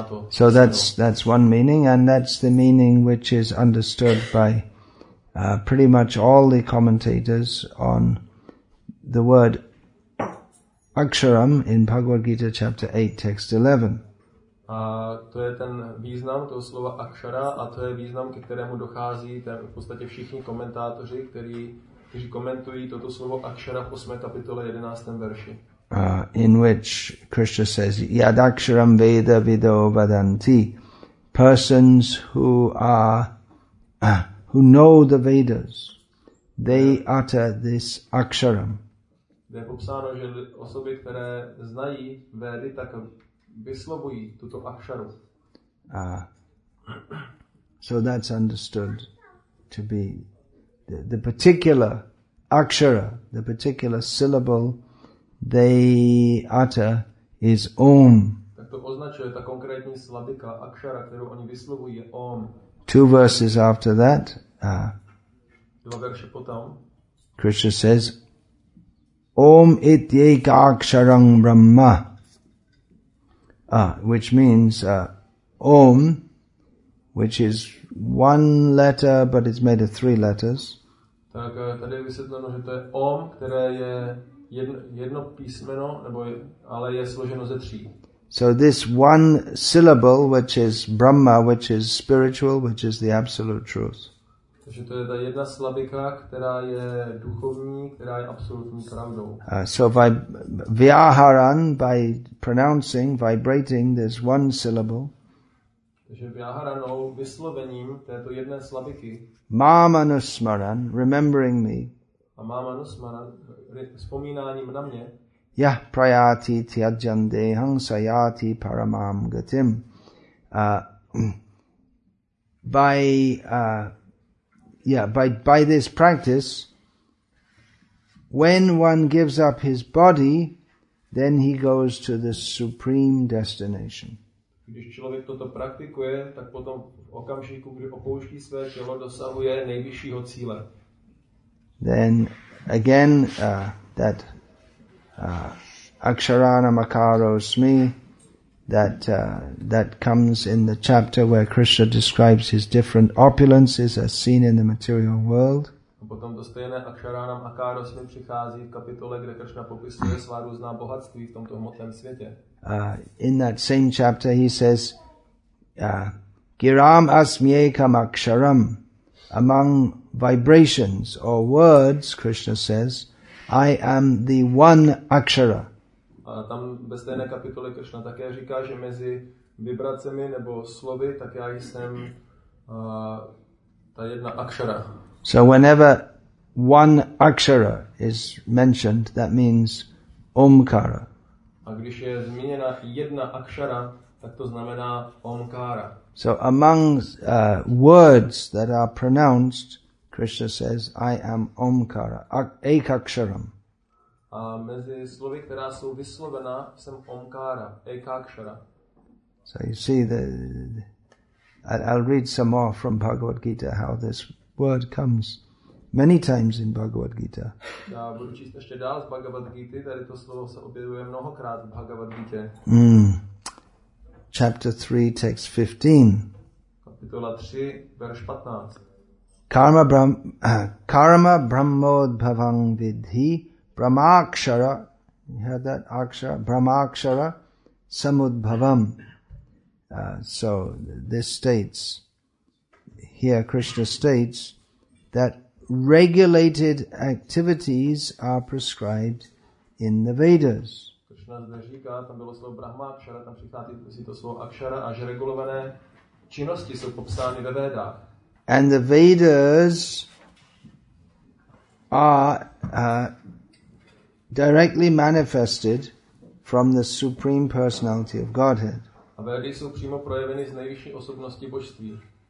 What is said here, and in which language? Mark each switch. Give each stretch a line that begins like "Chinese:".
English: So that's one meaning, and that's the meaning which is understood by pretty much all the commentators on the word Aksharam in Bhagavad Gita chapter 8, text 11.
Czech: A to je ten význam toho slova akshara a to je význam, ke kterému dochází ten v podstatě všichni komentátoři, kteří komentují toto slovo akshara v 8. kapitole 11. verši.
English: In which Krishna says,
Sanskrit: yad aksharam veda vido vadanti.
English: Persons who are who know the Vedas, they utter this aksharam.
Czech: Je popsáno, že osoby, které znají Vedy, tak vyslovují tuto aksharu.
English: So that's understood to be the particular akshara, the particular syllable they utter is om.
Czech: Tak to označuje ta konkrétní slabika akshara, kterou oni vyslovují je om.
English: Two verses after that,
Czech: dva verše potom,
English: Krishna says,
Sanskrit: om ityeka aksharang brahma.
English: Which means Om, which is one letter, but it's made of three letters.
Czech: Tak tady je vysvětleno, že to je Om, které je jedno písmeno, nebo ale je složeno ze tří.
English: So this one syllable, which is Brahma, which is spiritual, which is the absolute truth.
Czech: Takže to je ta jedna slabika, která je duchovní, která je absolutní pravdou.
English: So by vyaharan, by pronouncing, vibrating this one syllable.
Czech: Takže vyaharanou, vyslovením této jedné slabiky.
English: Mamanusmaran, remembering me.
Czech: A mamanusmaran, vzpomínáním na mě.
Sanskrit: Yah prayati tyajande hansayati paramam gatim.
English: By this practice, when one gives up his body, Then he goes to the supreme destination.
Czech: Když člověk toto praktikuje, tak potom v okamžiku, kdy opouští své tělo, dosahuje nejvyššího cíle.
English: Then again that Aksharana Makaro Smi that comes in the chapter where Krishna describes his different opulences as seen in the material world.
Czech: A potom to stejné Aksharana Makaro Smi přichází v kapitole, kde Krishna popisuje svá různá bohatství v tomto hmotném světě.
English: In that same chapter he says
Sanskrit: Giram Asmyekam Aksharam.
English: Among vibrations or words, Krishna says, I am the one akshara.
Czech: A tam ve stejné kapitole Krishna také říká, že mezi vibracemi nebo slovy, tak já jsem ta jedna akshara.
English: So whenever one akshara is mentioned, that means omkara.
Czech: A když je zmíněna jedna akshara, tak to znamená omkara.
English: So among words that are pronounced, Krishna says, I am Omkara, Ekaksharam.
Czech: A mezi slovy, která jsou vyslovena, jsem Omkara, Ekakshara.
English: So you see, I'll read some more from Bhagavad Gita, how this word comes many times in Bhagavad Gita.
Czech: Já budu číst ještě dál z Bhagavad Gita, tady to slovo se objevuje mnohokrát v Bhagavad Gita.
English: Chapter 3, text 15.
Czech: Kapitola 3, verš 15.
Sanskrit: Karma brahmod bhavang vidhi brahmakshara.
English: You heard that?
Sanskrit: Akshara? Brahmakshara samudbhavam.
English: So this states, here Krishna states, that regulated activities are prescribed in the Vedas.
Czech: Říká, tam bylo slovo Brahma, akšara, tam přichází to slovo akšara, a že regulované činnosti jsou popsány ve Vedách.
English: And the Vedas are directly manifested from the Supreme Personality of Godhead.
Czech: A Vedy jsou přímo projeveny z nejvyšší osobnosti božství.